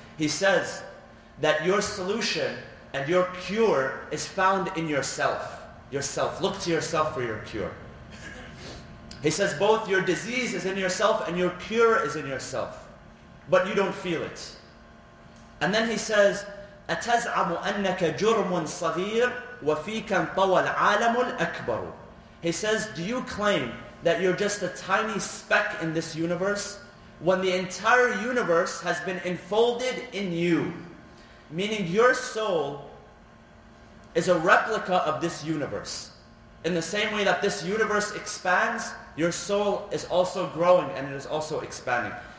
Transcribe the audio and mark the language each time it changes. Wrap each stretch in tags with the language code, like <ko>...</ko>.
<en>He says that your solution and your cure is found in yourself. Look to yourself for your cure. He says both your disease is in yourself and your cure is in yourself, but you don't feel it.</en> <ar>And then he says, أَتَزْعَمُ أَنَّكَ جُرْمٌ صَغِيرٌ وَفِيكَ انْطَوَى الْعَالَمُ الْأَكْبَرُ.</ar> <en>He says, do you claim that you're just a tiny speck in this universe when the entire universe has been enfolded in you? Meaning your soul is a replica of this universe. In the same way that this universe expands, your soul is also growing and it is also expanding.</en>